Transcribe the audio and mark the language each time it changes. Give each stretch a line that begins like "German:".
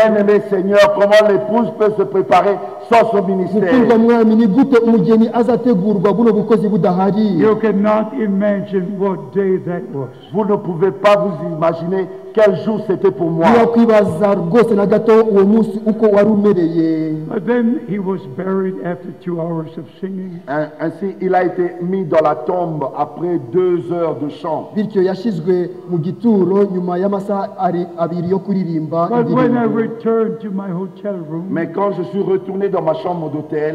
French: Bien-aimé Seigneur, comment l'épouse peut se préparer sans ce ministère?
English: You cannot imagine what day that was.
French: Vous ne pouvez pas vous imaginer quel jour c'était pour moi.
English: But then he was buried after 2 hours of singing.
French: Ainsi, il a été mis dans la tombe après 2 heures de chant.
English: But when I returned to my hotel room,
French: mais quand je suis retourné dans ma chambre d'hôtel,